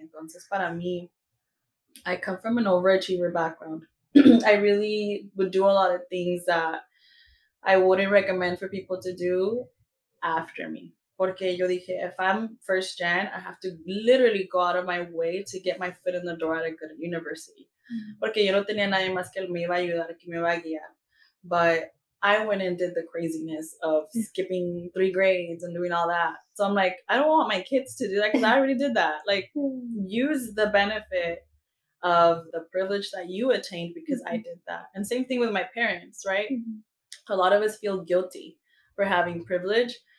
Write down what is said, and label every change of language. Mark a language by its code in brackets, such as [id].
[es] Entonces, para mí, [en] I come from an overachiever background. I really would do a lot of things that I wouldn't recommend for people to do after me. [es] Porque yo dije, [en] if I'm first gen, I have to literally go out of my way to get my foot in the door at a good university. Mm-hmm. [es] Porque yo no tenía nadie más que él me iba a ayudar, que me iba a guiar. [en] But I went and did the craziness of skipping three grades and doing all that. So I'm like, I don't want my kids to do that because I already did that. Like, use the benefit of the privilege that you attained because mm-hmm. I did that. And same thing with my parents, right? Mm-hmm. A lot of us feel guilty for having privilege.